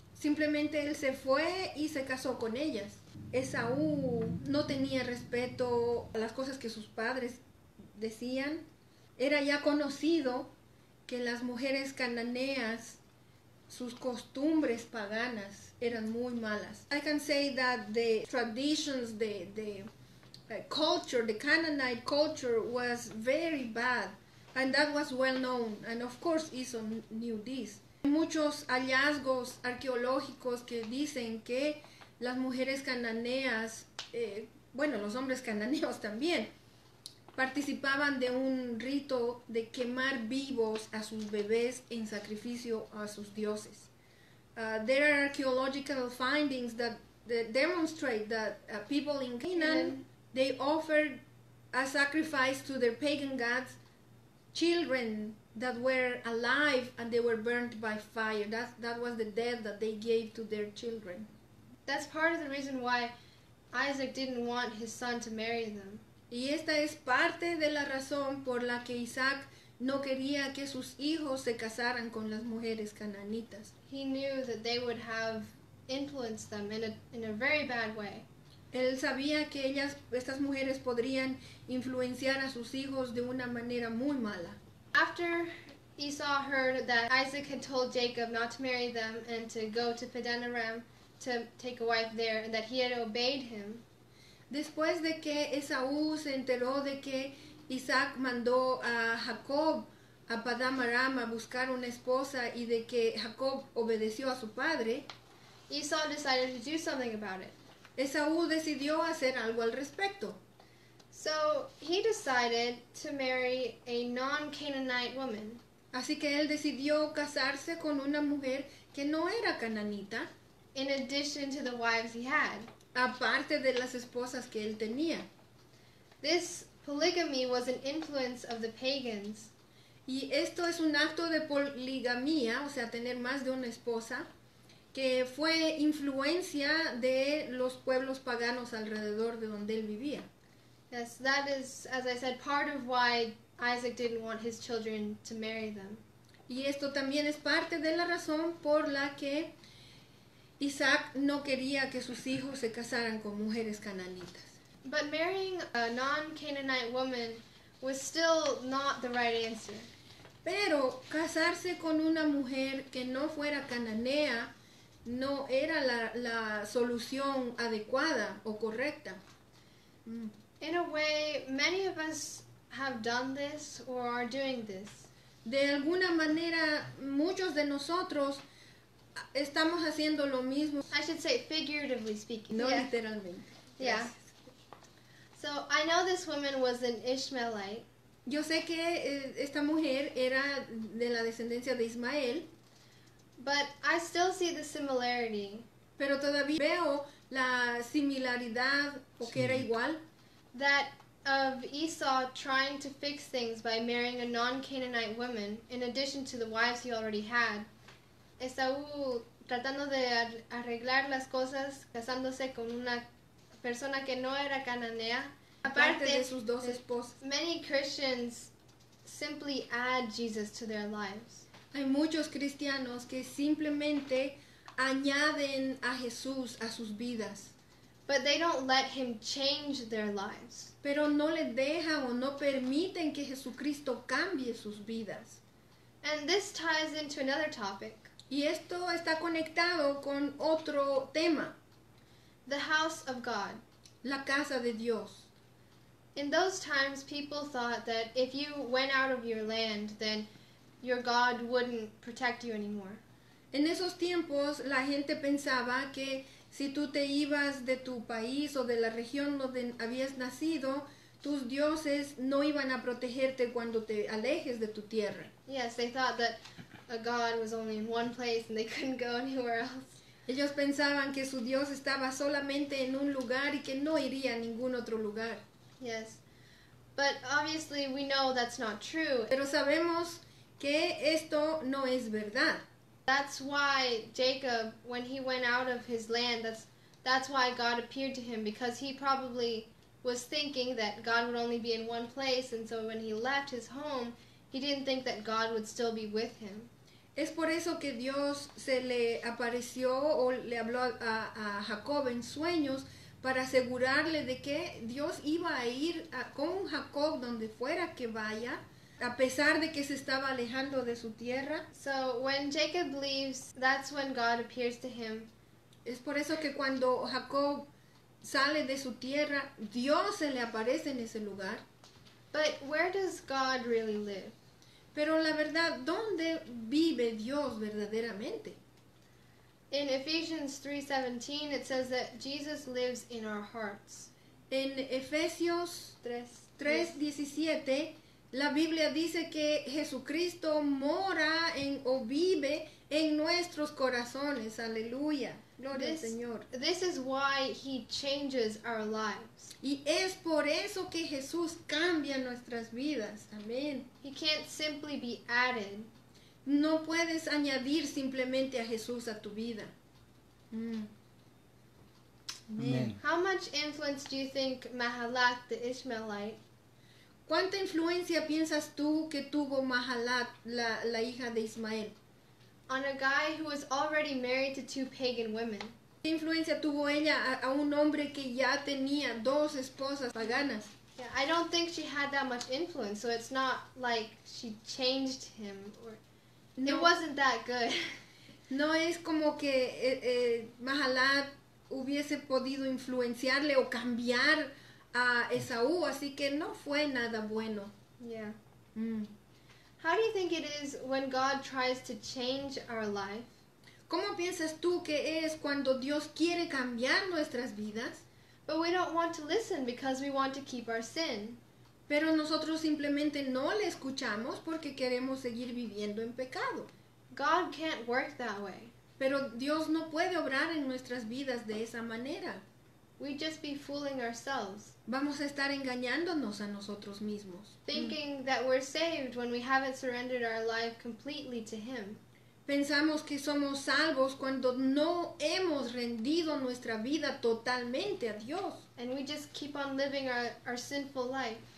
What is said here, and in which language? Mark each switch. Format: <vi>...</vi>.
<es>Simplemente él se fue y se casó con ellas. Esaú no tenía respeto a las cosas que sus padres decían. Era ya conocido que las mujeres cananeas, sus costumbres paganas eran muy malas.</es> <en>I can say that the traditions, the culture, the Canaanite culture was very bad. And that was well known. And of course, Esau knew this.</en> <es>Muchos hallazgos arqueológicos que dicen que las mujeres cananeas, bueno, los hombres cananeos también, participaban de un rito de quemar vivos a sus bebés en sacrificio a sus dioses.</es> <en>There are archaeological findings that demonstrate that people in Canaan, they offered a sacrifice to their pagan gods, children that were alive and they were burnt by fire. That was the death that they gave to their children. That's part of the reason why Isaac didn't want his son to marry them.</en> <es>Y esta es parte de la razón por la que Isaac no quería que sus hijos se casaran con las mujeres cananitas.</es> <en>He knew that they would have influenced them in a very bad way.</en> <es>Él sabía que ellas, estas mujeres podrían influenciar a sus hijos de una manera muy mala.</es> <en>After Esau heard that Isaac had told Jacob not to marry them and to go to Paddan Aram to take a wife there, and that he had obeyed him.</en> <es>Después de que Esaú se enteró de que Isaac mandó a Jacob a Paddan Aram a buscar una esposa y de que Jacob obedeció a su padre,</es> <en>Esau decided to do something about it.</en> <es>Esaú decidió hacer algo al respecto.</es> <en>So he decided to marry a non-Canaanite woman.</en> <es>Así que él decidió casarse con una mujer que no era cananita.</es> <en>In addition to the wives he had.</en> <es>Aparte de las esposas que él tenía.</es> <en>This polygamy was an influence of the pagans.</en> <es>Y esto es un acto de poligamia, o sea, tener más de una esposa, que fue influencia de los pueblos paganos alrededor de donde él vivía.</es> <en>Yes, that is, as I said, part of why Isaac didn't want his children to marry them.</en> <es>Y esto también es parte de la razón por la que Isaac no quería que sus hijos se casaran con mujeres cananitas.</es> <en>But marrying a non-Canaanite woman was still not the right answer.</en> <es>Pero casarse con una mujer que no fuera cananea no era la solución adecuada o correcta.</es> <en>In a way, many of us have done this or are doing this.</en> <es>De alguna manera, muchos de nosotros estamos haciendo lo mismo.</es> <en>I should say figuratively speaking.</en> <es>No, yeah. Literalmente.</es> <en>Yeah. So, I know this woman was an Ishmaelite.</en> <es>Yo sé que esta mujer era de la descendencia de Ismael.</es> <en>But I still see the similarity.</en> <es>Pero todavía veo la similaridad, o que era igual.</es> <en>That of Esau trying to fix things by marrying a non-Canaanite woman in addition to the wives he already had.</en> <es>Esaú tratando de arreglar las cosas casándose con una persona que no era cananea. Aparte de sus dos esposas.</es> <en>Many Christians simply add Jesus to their lives.</en> <es>Hay muchos cristianos que simplemente añaden a Jesús a sus vidas.</es> <en>But they don't let him change their lives.</en> <es>Pero no le dejan o no permiten que Jesucristo cambie sus vidas.</es> <en>And this ties into another topic.</en> <es>Y esto está conectado con otro tema.</es> <en>The house of God.</en> <es>La casa de Dios.</es> <en>In those times, people thought that if you went out of your land, then your God wouldn't protect you anymore.</en> <es>En esos tiempos, la gente pensaba que si tú te ibas de tu país o de la región donde habías nacido, tus dioses no iban a protegerte cuando te alejes de tu tierra.</es> <en>Yes, they thought that a god was only in one place and they couldn't go anywhere else.</en> <es>Ellos pensaban que su dios estaba solamente en un lugar y que no iría a ningún otro lugar.</es> <en>Yes, but obviously we know that's not true.</en> <es>Pero sabemos que esto no es verdad.</es> <en>That's why Jacob, when he went out of his land, that's why God appeared to him, because he probably was thinking that God would only be in one place, and so when he left his home, he didn't think that God would still be with him.</en> <es>Es por eso que Dios se le apareció o le habló a Jacob en sueños para asegurarle de que Dios iba a ir con Jacob donde fuera que vaya. A pesar de que se estaba alejando de su tierra.</es> <en>So when Jacob leaves, that's when God appears to him.</en> <es>Es por eso que cuando Jacob sale de su tierra, Dios se le aparece en ese lugar.</es> <en>But where does God really live?</en> <es>Pero la verdad, ¿dónde vive Dios verdaderamente?</es> <en>In Ephesians 3:17, it says that Jesus lives in our hearts.</en> <es>En Efesios 3:17, la Biblia dice que Jesucristo mora en o vive en nuestros corazones. Aleluya. Gloria al Señor.</es> <en>This is why he changes our lives.</en> <es>Y es por eso que Jesús cambia nuestras vidas. Amén.</es> <en>He can't simply be added.</en> <es>No puedes añadir simplemente a Jesús a tu vida. Mm.</es> <en>Amen. How much influence do you think Mahalat the Ishmaelite?</en> <es>¿Cuánta influencia piensas tú que tuvo Mahalat, la hija de Ismael?</es> <en>On a guy who was already married to two pagan women.</en> <es>¿Qué influencia tuvo ella a un hombre que ya tenía dos esposas paganas?</es> <en>Yeah, I don't think she had that much influence, so it's not like she changed him or no. It wasn't that good.</en> <es>No es como que Mahalat hubiese podido influenciarle o cambiar a Esaú, así que no fue nada bueno.</es> <en>Yeah. Mm. How do you think it is when God tries to change our life?</en> <es>¿Cómo piensas tú que es cuando Dios quiere cambiar nuestras vidas?</es> <en>But we don't want to listen because we want to keep our sin.</en> <es>Pero nosotros simplemente no le escuchamos porque queremos seguir viviendo en pecado.</es> <en>God can't work that way.</en> <es>Pero Dios no puede obrar en nuestras vidas de esa manera.</es> <en>We just be fooling ourselves.</en> <es>Vamos a estar engañándonos a nosotros mismos.</es> <en>Thinking that we're saved when we haven't surrendered our life completely to Him.</en> <es>Pensamos que somos salvos cuando no hemos rendido nuestra vida totalmente a Dios.</es> <en>And we just keep on living our sinful life.</en>